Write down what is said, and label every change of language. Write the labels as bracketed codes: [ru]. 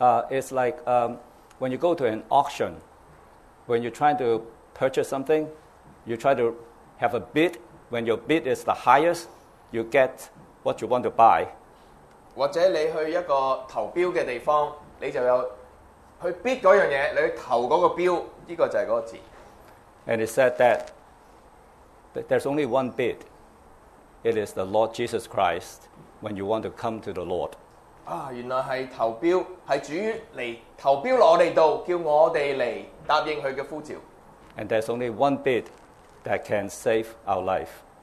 [en] It's like when you go to an auction, when you're trying to purchase something, you try to have a bid. When your bid is the highest, you get what you want to buy. [zh] 或者你去一个投标的地方, 你就有去bid那样东西，你去投那个标，这个就是那个字。 [en] And it said that there's only one bid. It is the Lord Jesus Christ when you want to come to the Lord. [zh] 原来是投标，是主来投标到我们，叫我们来答应他的呼召。 [en] And there's only one bid that can save our life.